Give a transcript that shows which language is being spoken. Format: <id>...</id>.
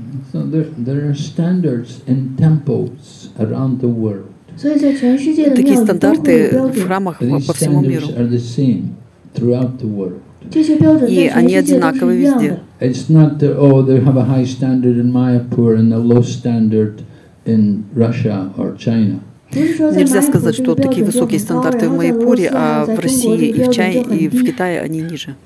<en>So there are standards in temples around the world.</en> <ru>Такие стандарты в храмах по всему миру.</ru> <en>These are the same throughout the world.</en> <ru>И они одинаковы везде.</ru> <en>It's not that they have a high standard in Mayapur and a low standard in Russia or China.</en> <ru>Нельзя сказать, что такие высокие стандарты в Майпуре, а в России и в Китае они ниже.</ru>